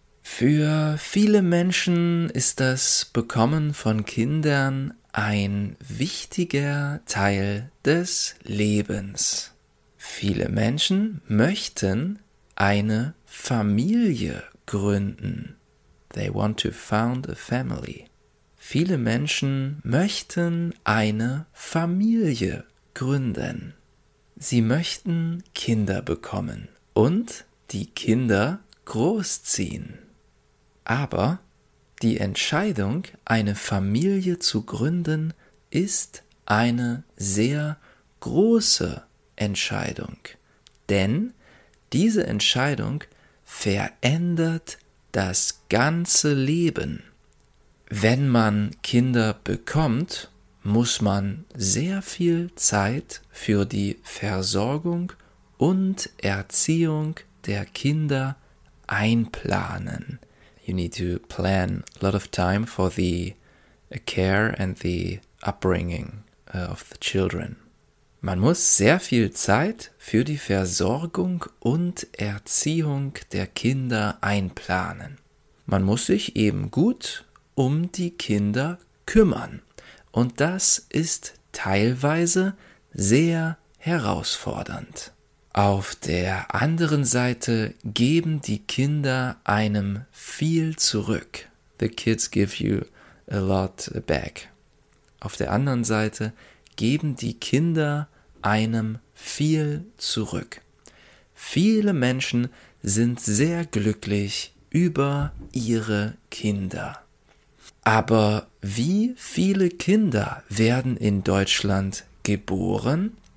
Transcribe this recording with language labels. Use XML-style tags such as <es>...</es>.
<de>Für viele Menschen ist das Bekommen von Kindern ein wichtiger Teil des Lebens. Viele Menschen möchten eine Familie gründen.</de> <en>They want to found a family.</en> <de>Viele Menschen möchten eine Familie gründen. Sie möchten Kinder bekommen und die Kinder großziehen. Aber die Entscheidung, eine Familie zu gründen, ist eine sehr große Entscheidung, denn diese Entscheidung verändert das ganze Leben. Wenn man Kinder bekommt, muss man sehr viel Zeit für die Versorgung und Erziehung der Kinder einplanen.</de> <en>You need to plan a lot of time for the care and the upbringing of the children.</en> <de>Man muss sehr viel Zeit für die Versorgung und Erziehung der Kinder einplanen. Man muss sich eben gut um die Kinder kümmern. Und das ist teilweise sehr herausfordernd. Auf der anderen Seite geben die Kinder einem viel zurück.</de> <en>The kids give you a lot back.</en> <de>Auf der anderen Seite geben die Kinder einem viel zurück. Viele Menschen sind sehr glücklich über ihre Kinder. Aber wie viele Kinder werden in Deutschland geboren?</de>